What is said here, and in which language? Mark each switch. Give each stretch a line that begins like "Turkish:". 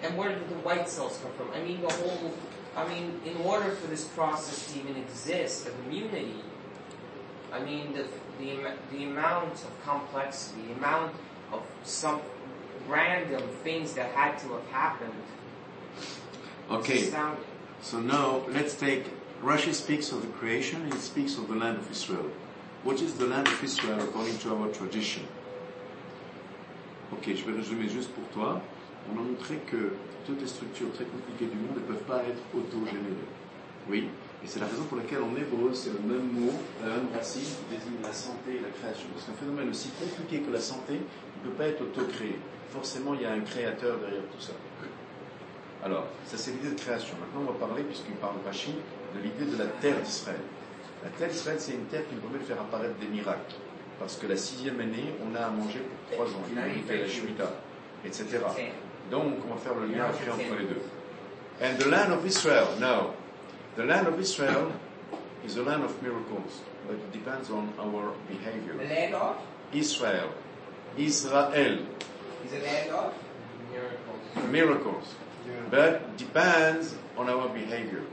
English: And where did the white cells come from? In order for this process to even exist of immunity, I mean, the amount of complexity, the amount of some random things that had to have happened. Okay. So now let's take. Rashi speaks of the creation. He speaks of the land of Israel. What is the land of Israel according to our tradition?
French: Ok, je vais résumer juste pour toi. On a montré que toutes les structures très compliquées du monde ne peuvent pas être auto-générées. Oui. Et c'est la raison pour laquelle en hébreu, c'est le même mot, la même racine, qui désigne la santé et la création. Parce qu'un phénomène aussi compliqué que la santé ne peut pas être auto-créé. Forcément, il y a un créateur derrière tout ça. Alors, ça c'est l'idée de création. Maintenant, on va parler, puisqu'il parle de Rashi, de l'idée de la terre d'Israël. La terre d'Israël, c'est une terre qui nous permet de faire apparaître des miracles. Parce que la sixième année, on a à manger pour 3 ans. Il y a la Shemitah, etc. Donc, on va faire le lien après entre les deux.
English: And the land of Israel, now. The land of Israel is a land of miracles. But it depends on our behavior. The land of? Israel. Israel. Is a land of? Miracles. Miracles. Yeah. But depends on our behavior.